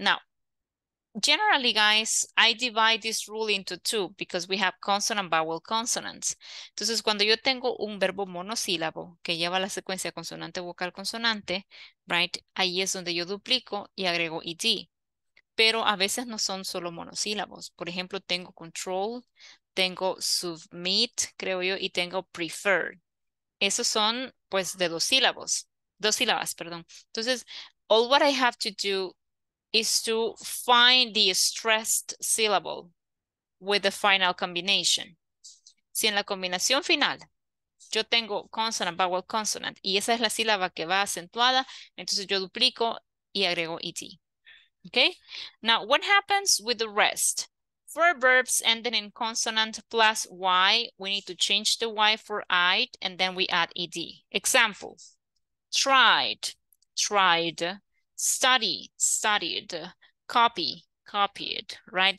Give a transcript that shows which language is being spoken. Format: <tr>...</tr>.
<en>Now, generally, guys, I divide this rule into two because we have consonant, vowel, consonants.</en> <es>Entonces, cuando yo tengo un verbo monosílabo que lleva la secuencia consonante, vocal, consonante, right, ahí es donde yo duplico y agrego ed. Pero a veces no son solo monosílabos. Por ejemplo, tengo control, tengo submit, creo yo, y tengo prefer. Esos son, pues, de dos sílabas.</es> <en>Entonces, all what I have to do is to find the stressed syllable with the final combination.</en> <es>Si en la combinación final yo tengo</es> <en>consonant, vowel, consonant,</en> <es>y esa es la sílaba que va acentuada, entonces yo duplico y agrego ET.</es> <en>Okay? Now, what happens with the rest? For verbs ending in consonant plus Y, we need to change the Y for I, and then we add ED. Example, tried, tried, study, studied, copy, copied, right?</en>